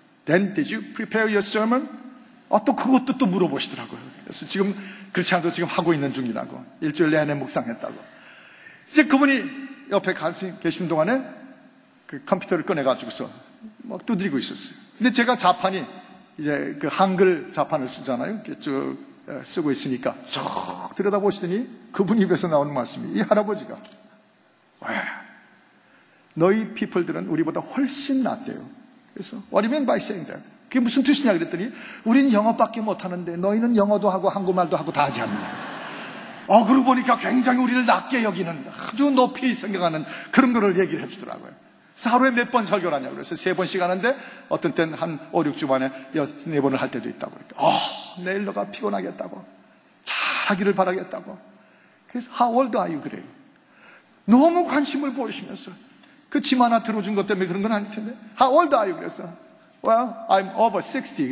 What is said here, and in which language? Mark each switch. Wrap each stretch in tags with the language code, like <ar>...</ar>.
<en>Then did you prepare your sermon?</en> <ko>아, 또 그것도 또 물어보시더라고요. 그래서 지금 그렇지 않아도 지금 하고 있는 중이라고. 일주일 내내 묵상했다고. 이제 그분이 옆에 계신 동안에 그 컴퓨터를 꺼내가지고서 막 두드리고 있었어요. 근데 제가 자판이 이제 그 한글 자판을 쓰잖아요. 쭉 쓰고 있으니까 쭉 들여다보시더니 그분 입에서 나오는 말씀이 이 할아버지가 왜 너희 피플들은 우리보다 훨씬 낫대요.</ko> <en>그래서 What do you mean by saying that?</en> <ko>그게 무슨 뜻이냐 그랬더니 우린 영어밖에 못하는데 너희는 영어도 하고 한국말도 하고 다 하지 않느냐. 어, 그러고 보니까 굉장히 우리를 낮게 여기는 아주 높이 생각하는 그런 거를 얘기를 해주더라고요. 그래서 하루에 몇 번 설교를 하냐고 그래서 세 번씩 하는데 어떤 땐 한 5, 6주 만에 네 번을 할 때도 있다고. 내일 너가 피곤하겠다고. 잘하기를 바라겠다고.</ko> <en>그래서 How old are you?</en> <ko>그래요. 너무 관심을 보이시면서 그 짐 하나 들어준 것 때문에 그런 건 아닐 텐데</ko> <en>How old are you? 그래서 Well, I'm over 60.</en>